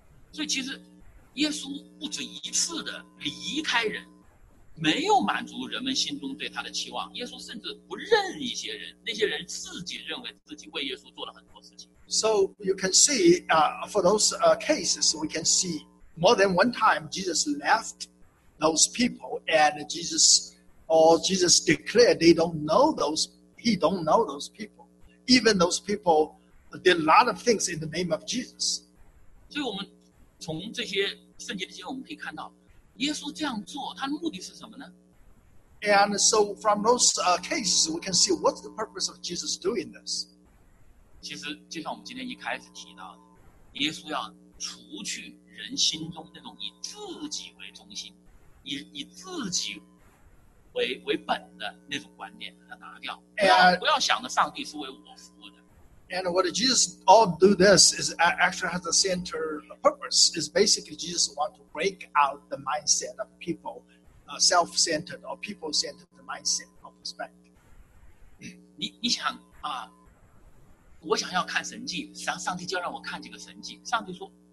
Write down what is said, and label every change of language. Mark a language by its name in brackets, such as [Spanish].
[Chinese] 所以其实，耶稣不止一次的离开人，没有满足人们心中对他的期望。耶稣甚至不认一些人，那些人自己认为自己为耶稣做了很多事情。 [English] So you can see, for those cases, we can see. More than one time, Jesus left those people, and Jesus declared they don't know those. He don't know those people. Even those people did a lot of things in the name of Jesus. [Chinese] 所以我们从这些圣经的经文，我们可以看到，耶稣这样做，他的目的是什么呢？ [English] And so from those cases, we can see what's the purpose of Jesus doing this. [Chinese] 其实就像我们今天一开始提到的，耶稣要除去。人心中那种以自己为中心 以自己 为本的那种观念把它拿掉不要想着上帝是为我服务的 [English] And what Jesus all do this is actually has a center purpose is basically Jesus want to break out the mindset of people self-centered or people-centered the mindset of perspective [Chinese] 你想我想要看神迹上帝就要让我看这个神迹上帝说